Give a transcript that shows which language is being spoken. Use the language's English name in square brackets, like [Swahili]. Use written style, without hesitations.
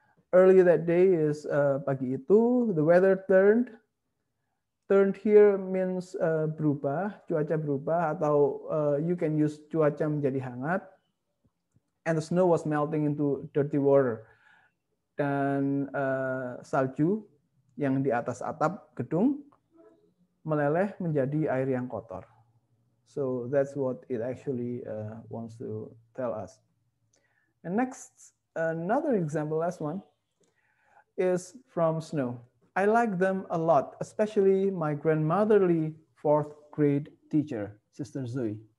[English] Early that day is [Indonesian] pagi itu, [English] the weather turned. Turned here means [Indonesian] berubah, cuaca berubah, atau [English] you can use [Indonesian] cuaca menjadi hangat. [English] And the snow was melting into dirty water. [Indonesian] Dan salju yang di atas atap gedung meleleh menjadi air yang kotor. [English] So that's what it actually wants to tell us. And next, another example, last one, is from Snow. I like them a lot, especially my grandmotherly fourth grade teacher, Sister Zoe.